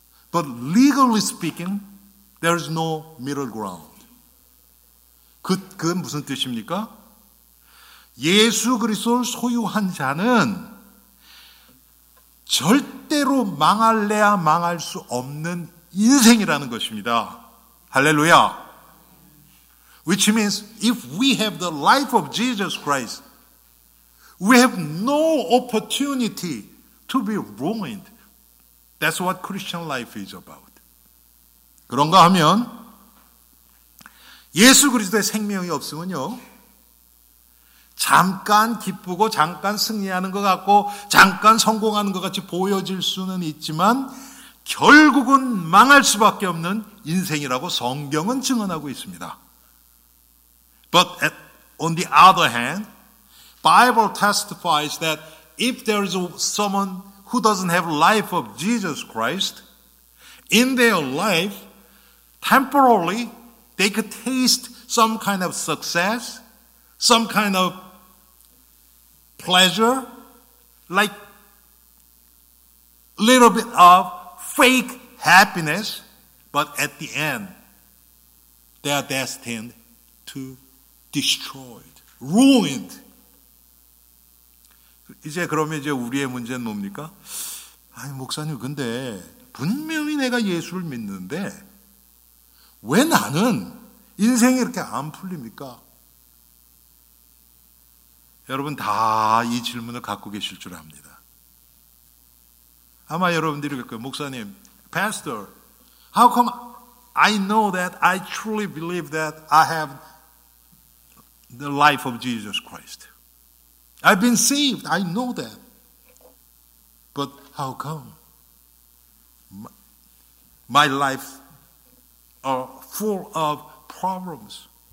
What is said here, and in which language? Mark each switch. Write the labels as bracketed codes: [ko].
[en] But legally speaking, there is no middle ground. [ko] 그 무슨 뜻입니까? 예수 그리스도를 소유한 자는 절대로 망할래야 망할 수 없는 인생이라는 것입니다. 할렐루야. [en] Which means if we have the life of Jesus Christ, we have no opportunity to be ruined. That's what Christian life is about. [ko] 그런가 하면 예수 그리스도의 생명이 없으면요, 잠깐 기쁘고 잠깐 승리하는 것 같고 잠깐 성공하는 것 같이 보여질 수는 있지만 결국은 망할 수밖에 없는 인생이라고 성경은 증언하고 있습니다. [en] But on the other hand, Bible testifies that if there is someone who doesn't have life of Jesus Christ, in their life, temporarily, they could taste some kind of success, some kind of pleasure, like a little bit of fake happiness, but at the end, they are destined to destroyed, ruined. [ko] 이제 그러면 이제 우리의 문제는 뭡니까? 아니, 목사님, 근데 분명히 내가 예수를 믿는데 왜 나는 인생이 이렇게 안 풀립니까? 여러분 다 이 질문을 갖고 계실 줄 압니다. 아마 여러분들이 그럴 거예요. [en] 목사님, Pastor, how come I know that I truly believe that I have the life of Jesus Christ? I've been saved. I know that. But how come my life are full of problems?